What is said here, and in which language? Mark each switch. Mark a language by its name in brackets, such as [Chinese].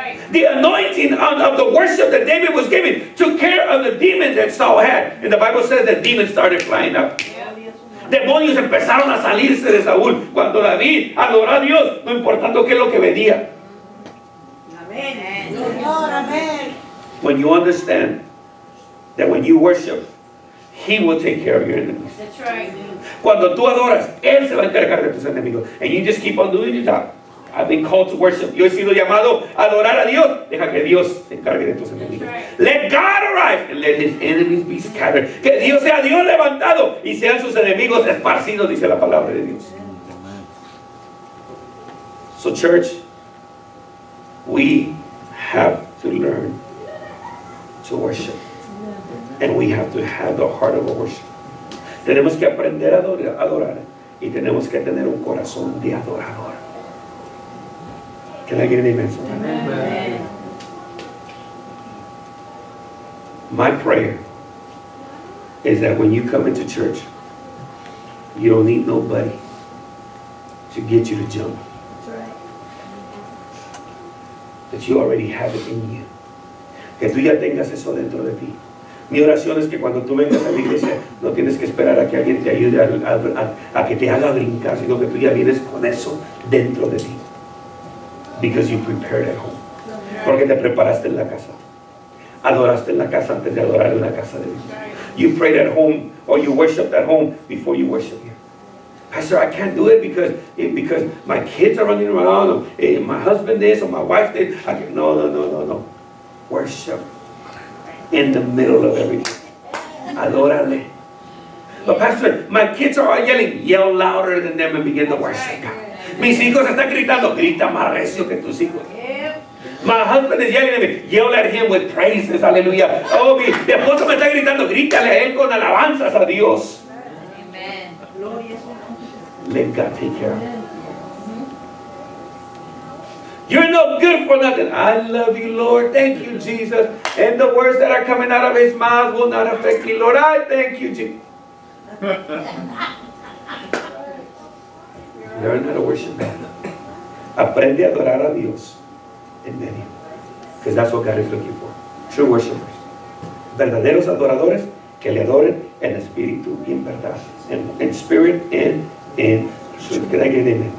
[English] The anointing of the worship that David was giving took care of the demon that Saul had. And the Bible says that demons started flying up. [Spanish] Demonios empezaron a salirse de Saúl cuando David adoró a Dios, no importando qué es lo que venía. Amén. Señor, amén. [English] When you understand that when you worship, he will take care of your enemies. That's right. [Spanish] Cuando tú adoras, él se va a encargar de tus enemigos. [English] And you just keep on doing your job. I've been called to worship. [Spanish] Yo he sido llamado a adorar a Dios. Deja que Dios se encargue de tus enemigos. [English] Let God arise and let his enemies be scattered. [Spanish] Que Dios sea Dios levantado y sean sus enemigos esparcidos, dice la palabra de Dios. [English] So church, we have to learn to worship. And we have to have the heart of a worship. [Spanish] Tenemos que aprender a adorar y tenemos que tener un corazón de adorador. [English] Can I get an amen? My prayer is that when you come into church, you don't need nobody to get you to jump. That's right. That you already have it in you. [Spanish] Que tú ya tengas eso dentro de ti. Mi oración es que cuando tú vengas a la iglesia, no tienes que esperar a que alguien te ayude a que te haga brincar, sino que tú ya vienes con eso dentro de ti. [English] Because you prepared at home. [Spanish] Porque te preparaste en la casa. Adoraste en la casa antes de adorar en la casa de Dios. [English] You prayed at home or you worshiped at home before you worship here. Pastor, I can't do it because my kids are running around or my husband this or my wife this. No. Worship in the middle of everything. [Spanish] Adórale. [English] But pastor, my kids are all yelling. Yell louder than them and begin to worship God. [Spanish] Mis hijos están gritando, grita más recio que tus hijos. [English] My husband is yelling at me, yell at him with praises, aleluya. [Spanish] Oh, mi esposo me está gritando, grítale a él con alabanzas a Dios. [English] Amen. Let God take care of you. You're no good for nothing. I love you, Lord. Thank you, Jesus. And the words that are coming out of his mouth will not affect me, Lord. I thank you, Jesus. Learn how to worship God. [Spanish] Aprende a adorar a Dios en medio. [English] Because that's what God is looking for. True worshipers. [Spanish] Verdaderos adoradores que le adoren en espíritu y en verdad. [English] In spirit and in truth. Can I get an amen?